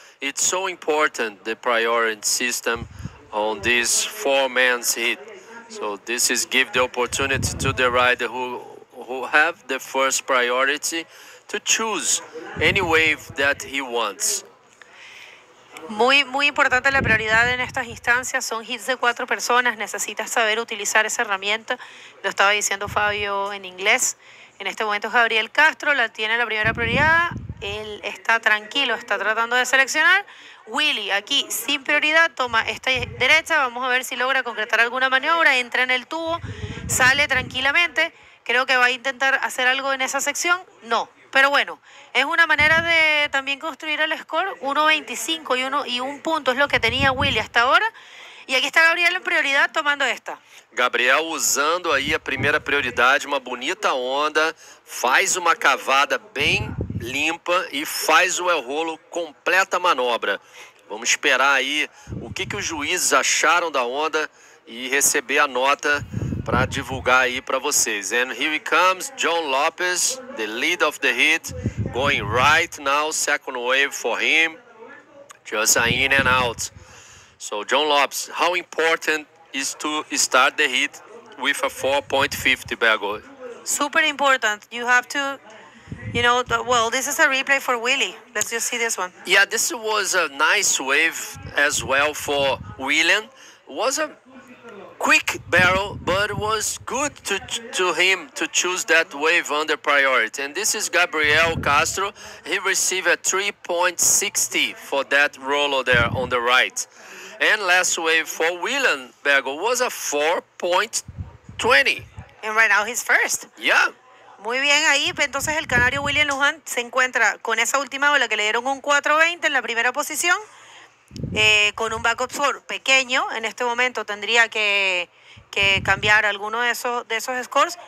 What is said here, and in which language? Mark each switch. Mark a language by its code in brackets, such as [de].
[en] It's so important, the priority system on this four-man's heat. So this is give the opportunity to the rider who have the first priority to choose any wave that he wants. [es] Muy, muy importante la prioridad en estas instancias, son hits de cuatro personas, necesitas saber utilizar esa herramienta, lo estaba diciendo Fabio en inglés. En este momento Gabriel Castro la tiene la primera prioridad. Él está tranquilo, está tratando de seleccionar. Willy, aquí sin prioridad, toma esta derecha. Vamos a ver si logra concretar alguna maniobra. Entra en el tubo, sale tranquilamente. Creo que va a intentar hacer algo en esa sección. No, pero bueno, es una manera de también construir el score. 1.25 y 1 y un punto es lo que tenía Willy hasta ahora. Y aquí está Gabriel en prioridad tomando esta. [pt] Gabriel usando aí a primeira prioridade, uma bonita onda, faz uma cavada bem limpa e faz o rolo, completa a manobra. Vamos esperar aí o que que os juízes acharam da onda e receber a nota para divulgar aí para vocês. [en] And here he comes, John Lopez, the lead of the heat, going right now, second wave for him, just in and out. So, John Lopes, how important is to start the heat with a 4.50 bagel? Super important. You have to, well, this is a replay for Willy. Let's just see this one. Yeah, this was a nice wave as well for Willian. Was a quick barrel, but was good to him to choose that wave under priority. And this is Gabriel Castro. He received a 3.60 for that rollo there on the right. And last wave for Willian Bagel was a 4.20. And right now he's first. Yeah. [es] Muy bien ahí, entonces el canario William Luján se encuentra con esa última ola que le dieron un 4.20 en la primera posición, con un backup score pequeño. En este momento tendría que cambiar alguno de esos scores.